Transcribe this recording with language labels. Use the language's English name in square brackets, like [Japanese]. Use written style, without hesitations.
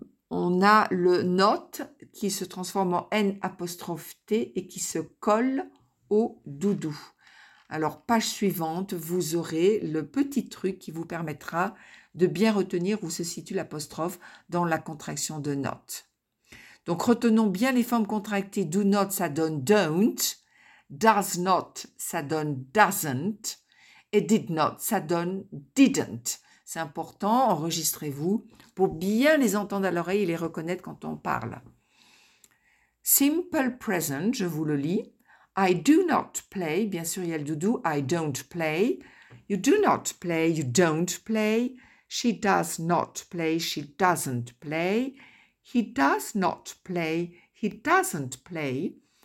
[French] On a le not qui se transforme en n apostrophe t et qui se colle au doudou. Alors, page suivante, vous aurez le petit truc qui vous permettra de bien retenir où se situe l'apostrophe dans la contraction de not. Donc, retenons bien les formes contractées. Do not, ça donne don't. Does not, ça donne doesn't. Et did not, ça donne didn't. C'est important, enregistrez-vous pour bien les entendre à l'oreille et les reconnaître quand on parle. Simple present, je vous le lis. [English] I do not play, [French] bien sûr, il y a le doudou, [English] I don't play. You do not play, you don't play. She does not play, she doesn't play. He does not play, he doesn't play.